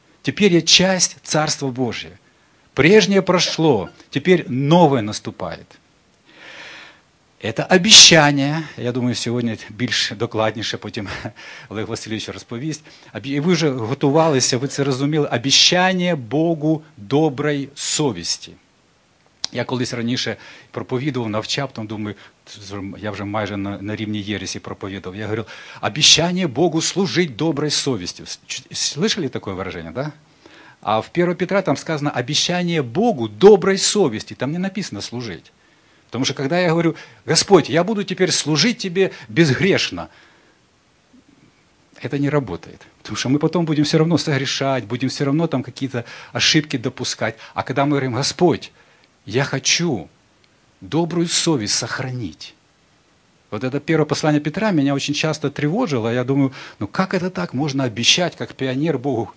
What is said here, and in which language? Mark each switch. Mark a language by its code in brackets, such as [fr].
[ru] Теперь я часть Царства Божия. Прежнее прошло, теперь новое наступает. Это обещание, я думаю, сегодня больше, докладнейше потом Олег Васильевич расповест. И вы же готовались, вы это разумели, обещание Богу доброй совести. [uk] Я колись раніше проповідував, навчав, тому думаю, я вже майже на рівні єресі проповідував. Я говорив, обіцяння Богу служити доброй совісті. [ru] Слышали [uk] таке вираження, да? А в 1 Петра там сказано, обіцяння Богу доброй совісті. Там не написано служити. Тому що, коли я говорю, Господь, я буду тепер служити тебе безгрешно, це не працює. [ru] Потому что мы потом будем все равно согрешать, будем все равно там какие-то ошибки допускать. А когда мы говорим, Господь, я хочу добрую совесть сохранить. Вот это первое послание Петра меня очень часто тревожило. Я думаю, ну как это так можно обещать, как пионер Богу?